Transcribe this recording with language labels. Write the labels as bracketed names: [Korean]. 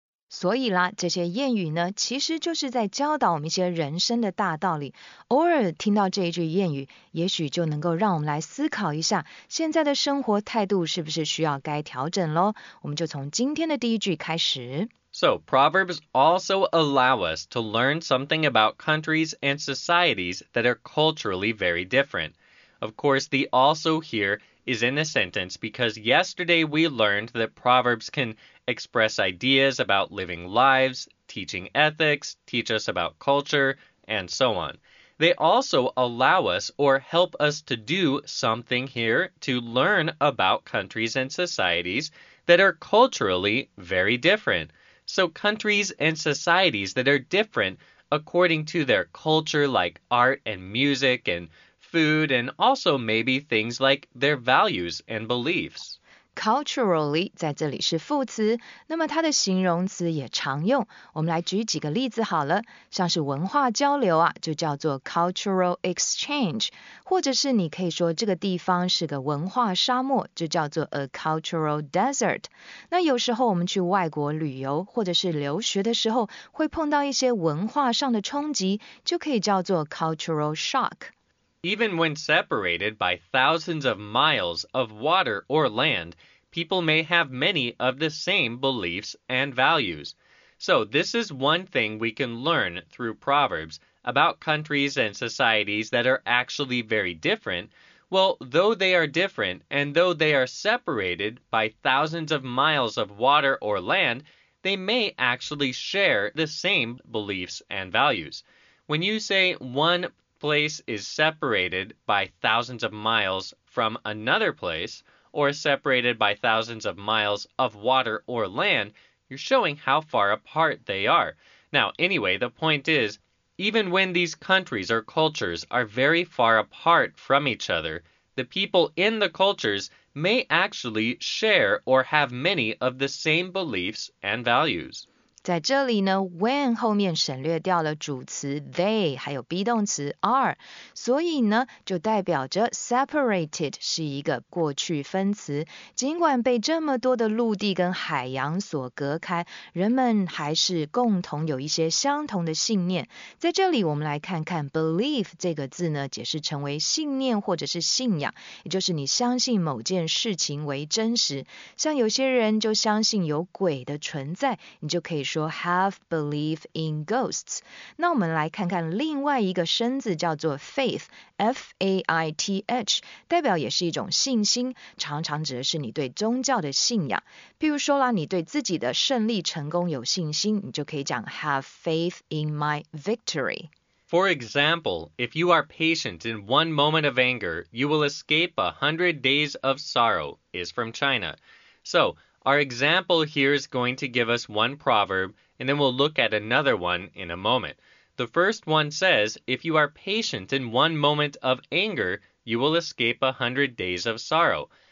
[Chinese] 所以啦，这些谚语呢，其实就是在教导我们一些人生的大道理。偶尔听到这一句谚语，也许就能够让我们来思考一下，现在的生活态度是不是需要该调整咯？我们就从今天的第一句开始。 [English] So, Proverbs also allow us to learn something about countries and societies that are culturally very different. Of course, the also here is in a sentence because yesterday we learned that Proverbs can express ideas about living lives, teaching ethics, teach us about culture, and so on. They also allow us or help us to do something here to learn about countries and societies that are culturally very different. So countries and societies that are different according to their culture, like art and music and food, and also maybe things like their values and beliefs. [Chinese] Culturally 在这里是副词，那么它的形容词也常用。我们来举几个例子好了，像是文化交流啊，就叫做 [English] cultural exchange， [Chinese] 或者是你可以说这个地方是个文化沙漠，就叫做 [English] a cultural desert。 [Chinese] 那有时候我们去外国旅游或者是留学的时候，会碰到一些文化上的冲击，就可以叫做 [English] cultural shock。 Even when separated by thousands of miles of water or land, people may have many of the same beliefs and values. So this is one thing we can learn through Proverbs about countries and societies that are actually very different. Well, though they are different and though they are separated by thousands of miles of water or land, they may actually share the same beliefs and values. When you say one place is separated by thousands of miles from another place, or separated by thousands of miles of water or land, you're showing how far apart they are. Now, anyway, the point is, even when these countries or cultures are very far apart from each other, the people in the cultures may actually share or have many of the same beliefs and values. [Chinese] 在这里呢 when 后面省略掉了主词 they 还有 be 动词 are， 所以呢就代表着 separated 是一个过去分词，尽管被这么多的陆地跟海洋所隔开，人们还是共同有一些相同的信念。在这里我们来看看 believe 这个字呢，解释成为信念或者是信仰，也就是你相信某件事情为真实。像有些人就相信有鬼的存在，你就可以说 [English] have belief in ghosts。 [Chinese] 那我们来看看另外一个生字叫做 faith， F-A-I-T-H 代表也是一种信心，常常指的是你对宗教的信仰。譬如说啦，你对自己的胜利成功有信心，你就可以讲 [English] have faith in my victory。 For example, if you are patient in one moment of anger, you will escape 100 days of sorrow is from China. So,Our example here is going to give us one proverb, and then we'll look at another one in a moment. The first one says, if you are patient in one moment of anger, you will escape 100 days of sorrow.